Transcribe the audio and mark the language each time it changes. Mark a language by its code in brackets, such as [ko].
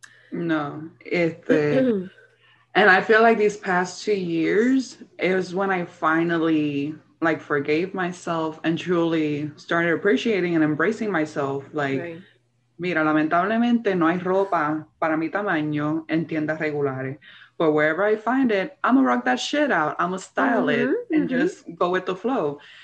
[en] No, And I feel like these past 2 years, it was when I finally, like, forgave myself and truly started appreciating and embracing myself. [es] Like, mira, lamentablemente no hay ropa para mi tamaño en tiendas regulares. [en] But wherever I find it, I'm going to rock that shit out. I'm going to style it and just go with the flow.